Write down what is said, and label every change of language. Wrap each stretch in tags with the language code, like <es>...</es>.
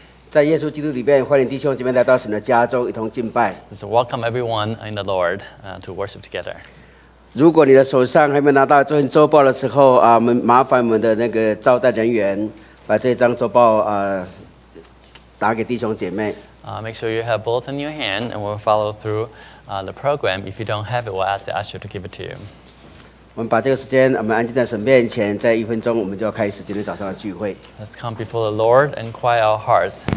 <zh>在耶稣基督里边，欢迎弟兄姐妹来到神的家中，一同敬拜。</zh> <en>So welcome everyone in the Lord, to worship together.</en> <zh>如果你的手上还没拿到这份周报的时候，麻烦我们的那个招待人员把这张周报打给弟兄姐妹。</zh> <en>Make sure you have both in your hand, and we'll follow through the program. If you don't have it, we'll ask the usher to give it to you.</en> <zh>我们把这个时间，我们安静在神面前，在一分钟，我们就要开始今天早上的聚会。</zh> <en>Let's come before the Lord and quiet our hearts.</en>